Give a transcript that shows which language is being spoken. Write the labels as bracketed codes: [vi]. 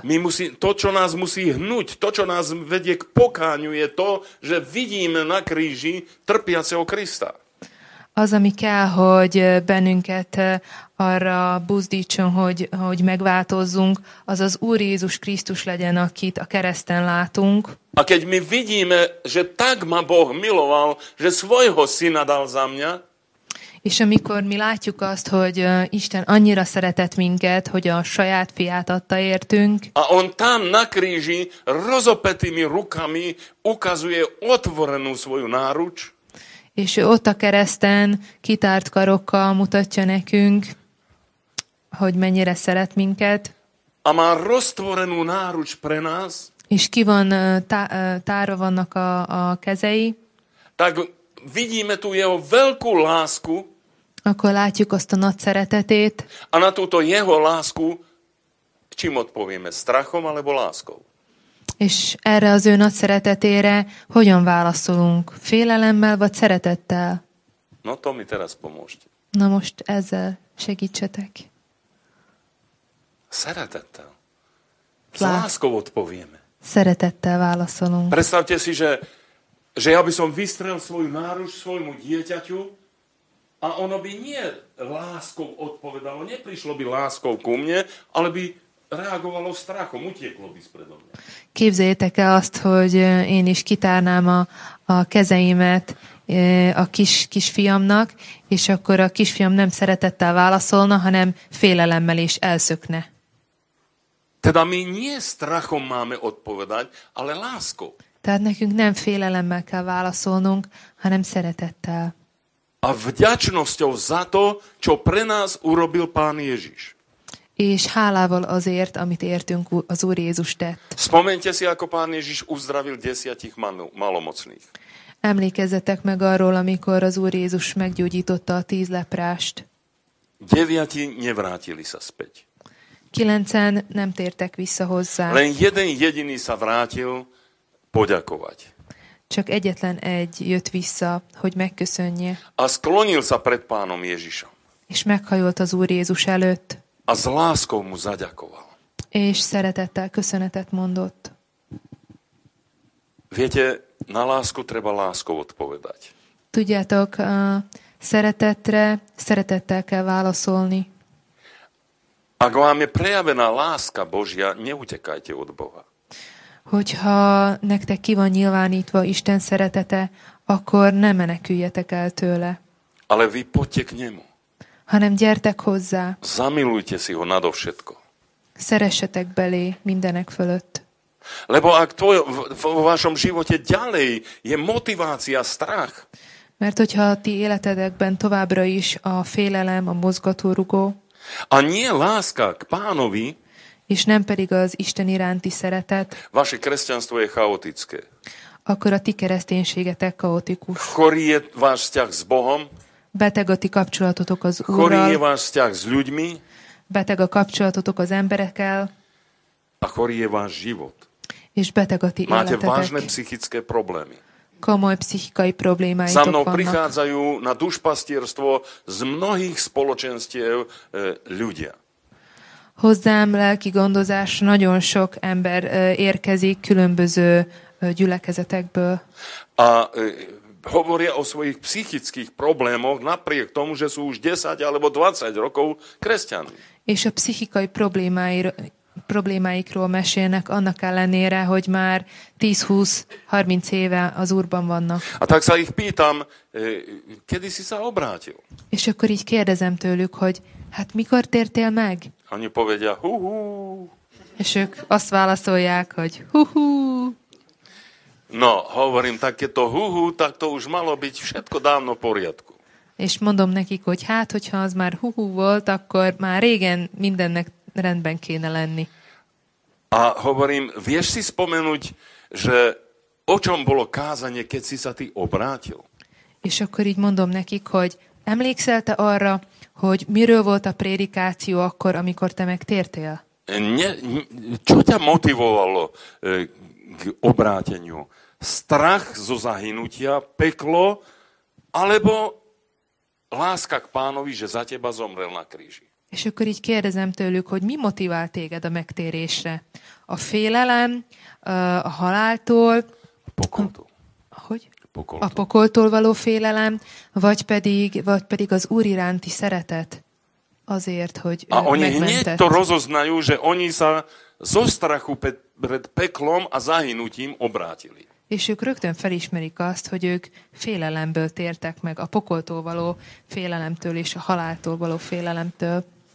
[sk] Mi musí, to, čo nás musí hnúť, to, čo nás vedie k pokániu, je to, že vidíme na kríži trpiaceho Krista. [hu] Az, ami kell, hogy bennünket arra buzdítson, hogy megváltozzunk, az az Úr Jézus Krisztus legyen, akit a kereszten látunk. [sk] A keď my vidíme, že tak ma Boh miloval, že svojho syna dal za mňa, [hu] és amikor mi látjuk azt, hogy Isten annyira szeretett minket, hogy a saját fiát adta értünk. [sk] A on tam na kríži rozopetými rukami ukazuje otvorenú svoju náruč. [hu] És ő ott a kereszten kitárt karokkal mutatja nekünk, hogy mennyire szeret minket. [sk] A má roztvorenú náruč pre nás. [hu] És ki van, tárva vannak a kezei. [sk] Tak vidíme tu jeho veľkú lásku. [hu] Akkor látjuk azt a nagy szeretetét. [sk] A na túto jeho lásku, čím odpovieme, strachom alebo láskou? [hu] És erre az ő nagy szeretetére hogyan válaszolunk? Félelemmel vagy szeretettel? [sk] No to mi teraz pomôžte. [hu] Na most ezzel segítsetek. Szeretettel. [sk] S láskou odpovieme. [hu] Szeretettel válaszolunk. [sk] Predstavte si, že ja by som vystrel svoju náruč svojmu dieťaťu, a ono by nie láskou odpovedalo, neprišlo by láskou ku mne, ale by reagovalo strachom, utieklo by spredo mňa. [hu] Képzeljétek el azt, hogy én is kitárnám a kezeimet a kisfiamnak, és akkor a kisfiam nem szeretettel válaszolna, hanem félelemmel is elszökne. [sk] Teda mi nie strachom máme odpovedať, ale láskou. [hu] Tehát nekünk nem félelemmel kell válaszolnunk, hanem szeretettel. [sk] A vďačnosťou za to, čo pre nás urobil Pán Ježiš. [hu] És hálával azért, amit értünk, az Úr Jézus tett. [sk] Spomeňte si, ako Pán Ježiš uzdravil 10 malomocných. [hu] Emlékezzetek meg arról, amikor az Úr Jézus meggyógyította a 10 leprást. [sk] 9 nevrátili sa späť. [hu] 9 nem tértek vissza hozzá. [sk] Len jeden jediný sa vrátil poďakovať. [hu] Csak egyetlen egy jött vissza, hogy megköszönje. [sk] A sklonil sa pred Pánom Ježišom. [hu] És meghajolt az Úr Jézus előtt. [sk] A s láskou mu zaďakoval. [hu] És szeretettel köszönetet mondott. [sk] Viete, na lásku treba láskou odpovedať. [hu] Tudjátok, szeretetre szeretettel kell válaszolni. [sk] Ak vám je prejavená láska Božia, neutekajte od Boha. [hu] Hogyha nektek ki van nyilvánítva Isten szeretete, akkor ne meneküljetek el tőle. [sk] Ale vy poďte k nemu. [hu] Hanem gyertek hozzá. [sk] Zamilujte si ho nadovšetko. [hu] Szeressetek belé mindenek fölött. [sk] Lebo ak v vašom živote ďalej je motivácia strach. [hu] Mert hogyha a ti életedekben továbbra is a félelem, a mozgatórugó. [sk] A nie láska k Pánovi. [hu] És nem pedig az Isten iránti szeretet. [sk] Vaše kresťanstvo je chaotické. [hu] Akkor a ti kereszténységetek kaotikus. [sk] Chorý je váš vzťah s Bohom. [hu] Beteg a ti kapcsolatotok az Úrral. [sk] Chorý je váš vzťah s ľuďmi. [hu] Beteg a kapcsolatotok az emberekkel. [sk] A chorý je váš život. [hu] És beteg a ti életetek. [sk] Máte vážne psychické problémy. [hu] Komoly psychikai problémáitok vannak. [sk] Za mnou prichádzajú na dušpastierstvo z mnohých spoločenstiev ľudia. [hu] hozzám lelki gondozás nagyon sok ember érkezik különböző gyülekezetekből. [sk] A hovoria o svojich psychických problémoch napriek tomu, že sú už 10 alebo 20 rokov kresťani. [hu] És a pszichikai problémáikról mesélnek annak ellenére, hogy már 10-20-30 éve az Úrban vannak. [sk] A tak sa ich pýtam, kedy si sa obrátil? [hu] És akkor így kérdezem tőlük, hogy hát mikor tértél meg? [sk] Oni povedia, hú-hú. [hu] És ők azt válaszolják, hogy hú-hú. [sk] No, hovorím, takéto hú-hú, tak to už malo byť všetko dávno v poriadku. [hu] És mondom nekik, hogy hát, hogyha az már hú-hú volt, akkor már régen mindennek rendben kéne lenni. [sk] A hovorím, vieš si spomenúť, že o čom bolo kázanie, keď si sa ty obrátil? [hu] És akkor így mondom nekik, hogy emlékszel te arra, hogy miről volt a prédikáció akkor, amikor te megtértél? [sk] Čo ťa motivovalo k obráteniu? Strach zo zahynutia, peklo, alebo láska k pánovi, že za teba zomrel na kríži? [hu] És akkor így kérdezem tőlük, hogy mi motivál téged a megtérésre? A félelem, a haláltól? A pokoltól. Hogy? A pokoltól. A pokoltól való félelem, vagy pedig az Úr iránti szeretet azért, hogy [sk] a oni hneď to rozoznajú, že oni sa zo strachu pred peklom a zahynutím obrátili. [hu] És ők rögtön felismerik azt, hogy ők félelemből tértek meg, a pokoltól való félelemtől és a haláltól való félelemtől.